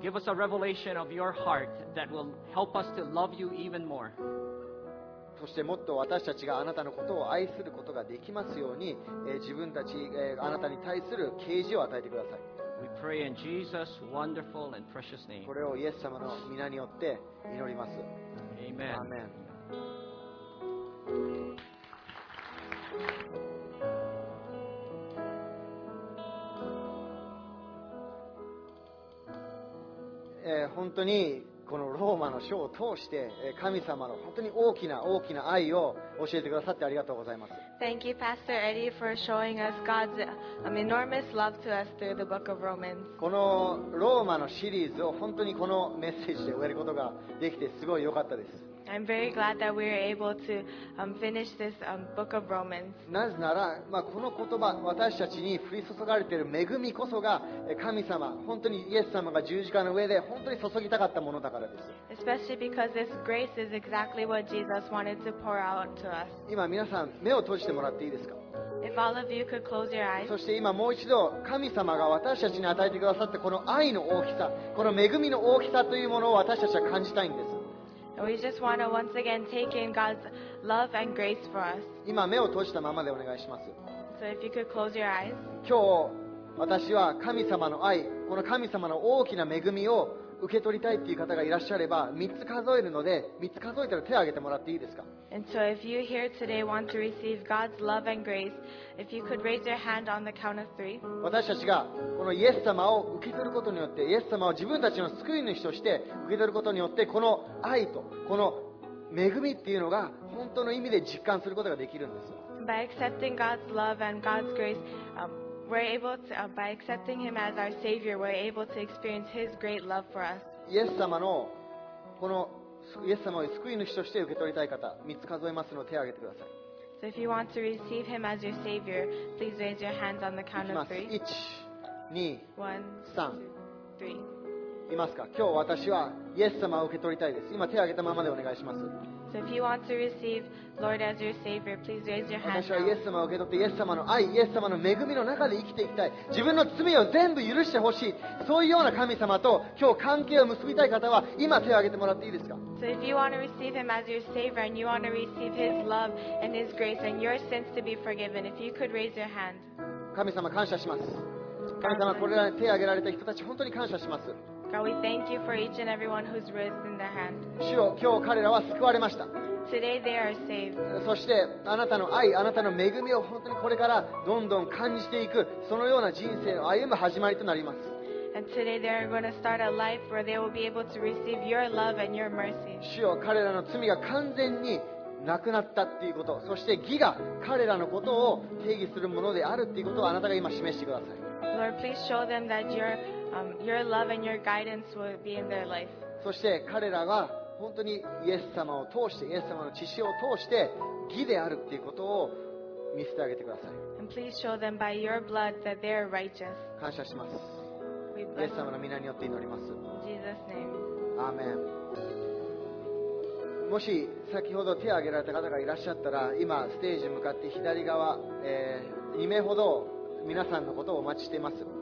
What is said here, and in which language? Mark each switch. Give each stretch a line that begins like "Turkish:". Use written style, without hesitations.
English: Give us a revelation of your heart that will help us to love you even more.
Japanese: そしてもっと私たちがあなたのことを愛することができますように、自分たち、あなたに対する啓示を与えてください。
English: We pray in Jesus' wonderful and precious name.
Japanese: これをイエス様の御名によって祈ります。
English: Amen. Amen.
Japanese: 本当にこのローマの書を通して神様の本当に大きな大きな愛を教えてくださってありがとうございます。
English: Thank you, Pastor Eddie, for showing us God's enormous love to us through the Book of Romans.
Japanese: このローマのシリーズを本当にこのメッセージで終えることができてすごい良かったです。
English: I'm very glad that we are able to finish this Book of Romans.
Japanese: なぜなら、まあ、この言葉私たちに降り注がれている恵みこそが神様本当にイエス様が十字架の上で本当に注ぎたかったものだからです。
English: Especially because this grace is exactly what Jesus wanted to pour out to us.
Japanese: 今皆さん目を閉じてもらっていいですか？
English: If all of you could close your eyes.
Japanese: そして今もう一度神様が私たちに与えてくださったこの愛の大きさ、この恵みの大きさというものを私たちは感じたいんです。
English: We just want to once again take in God's love and grace for us.
Japanese: 今目を閉じたままでお願いします。
English: So if you could close your eyes.
Japanese: 今日私は神様の愛、この神様の大きな恵みを受け取りたいっていう方がいらっしゃれば、3つ数えるので、3つ数えたら手を挙げてもらっていいですか。
English: And so if you here today want to receive God's love and grace, if you could raise your hand on the count of three.
Japanese: 私たちがこのイエス様を受け取ることによって、イエス様を自分たちの救い主として受け取ることによって、この愛とこの恵みっていうのが本当の意味で実感することができるんですよ。
English: By accepting God's love and God's grace, we're able to, by accepting Him as our Savior, we're able to experience His great love for us.
Japanese: イエス様のこのイエス様を救い主として受け取りたい方、三つ数えますので手を挙げてください。
English: So if you want to receive Him as your Savior, please raise your hands on the count of three.
Japanese: 一、二、三、
English: three。
Japanese: いますか？今日私はイエス様を受け取りたいです。今手を挙げたままでお願いします。
English: So if you want to receive Lord as your Savior, please raise your hand.
Japanese: 私はイエス様を受け取ってイエス様の愛、イエス様の恵みの中で生きていきたい。自分の罪を全部許してほしい。そういうような神様と今日関係を結びたい方は今手を挙げてもらっていいですか。
English: So if you want to receive Him as your Savior and you want to receive His love and His grace and your sins to be forgiven, if you could raise your hand.
Japanese: 神様感謝します。神様これらに手を挙げられた人たち本当に感謝します。
English: God, we thank you for each and everyone who's raised their hand.
Japanese: 主よ、今日彼らは救われました。
English: Today they are saved.
Japanese: そしてあなたの愛、あなたの恵みを本当にこれからどんどん感じていく、そのような人生の歩む始まりとなります。
English: And today they are going to start a life where they will be able to receive your love and your mercy.
Japanese: 主よ、彼らの罪が完全になくなったっていうこと、そして義が彼らのことを定義するものであるっていうことをあなたが今示してください。
English: Lord, please show them that your love and your guidance will be in their life.
Japanese: そして彼らが本当にイエス様を通して、イエス様の血潮を通して義であるっていうことを見せてあげてください。
English: And please show them by your blood that they are righteous.
Japanese: 感謝します。イエス様の御名によって祈ります。
English: In Jesus' name.
Japanese: アーメン。もし先ほど手を挙げられた方がいらっしゃったら、今ステージ向かって左側、2名ほど皆さんのことをお待ちしています。